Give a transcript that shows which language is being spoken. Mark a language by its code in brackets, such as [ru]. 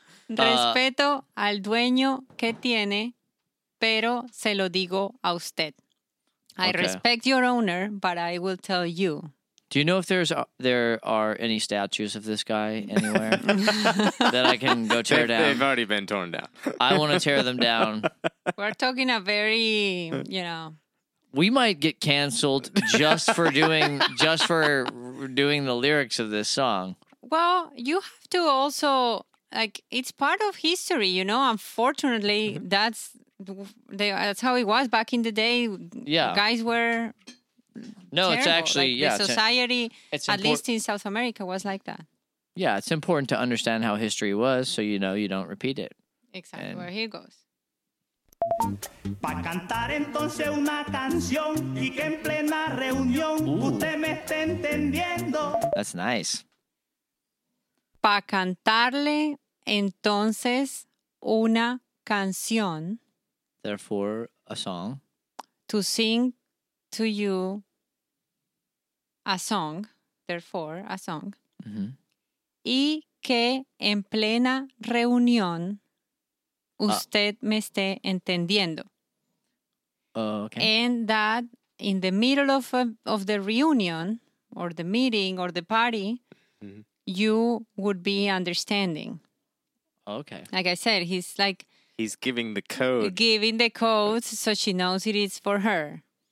[es] Respeto al dueño que tiene, pero se lo digo a usted. [en] I respect your owner, but I will tell you. Do you know if there are any statues of this guy anywhere that I can go tear down? They've already been torn down. I want to tear them down. We're talking a very, you know. We might get canceled just for doing the lyrics of this song. Well, you have to also, like, it's part of history, you know. Unfortunately, that's how it was back in the day. Yeah. Guys were... No, It's actually, like, yeah. The society, at least in South America, was like that. Yeah, it's important to understand how history was so you know you don't repeat it. Exactly. And where he goes. [es] Pa cantar entonces una canción y que en plena reunión usted me esté entendiendo. [en] That's nice. [es] Pa cantarle entonces una canción. [en] Therefore, a song. To sing to you. A song, therefore, a song. Mm-hmm. [es] Y que en plena reunión usted me esté entendiendo. [en] Okay. And that in the middle of the reunion or the meeting or the party, mm-hmm. you would be understanding. Okay. Like I said, he's like... He's giving the code. Giving the code so she knows it is for her.